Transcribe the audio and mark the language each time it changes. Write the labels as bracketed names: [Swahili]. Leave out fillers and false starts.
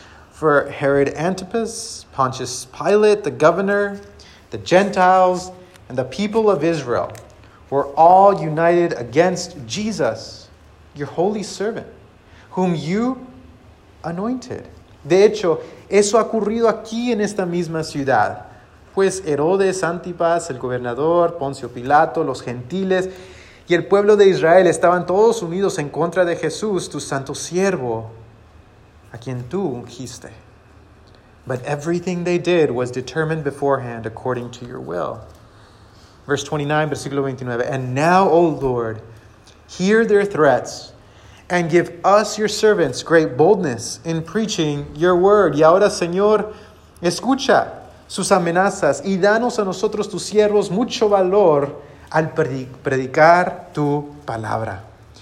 [English] For Herod Antipas, Pontius Pilate, the governor, the Gentiles, and the people of Israel were all united against Jesus, your holy servant, whom you anointed. [Spanish] De hecho, eso ha ocurrido aquí en esta misma ciudad. Pues Herodes Antipas, el gobernador, Poncio Pilato, los gentiles y el pueblo de Israel estaban todos unidos en contra de Jesús, tu santo siervo, a quien tú ungiste. [English] But everything they did was determined beforehand according to your will. Verse 29, [Spanish] versículo 29. [English] And now, O Lord, hear their threats and give us, your servants, great boldness in preaching your word. [Spanish] Y ahora, Señor, escucha sus amenazas y danos a nosotros, tus siervos, mucho valor al predicar tu palabra.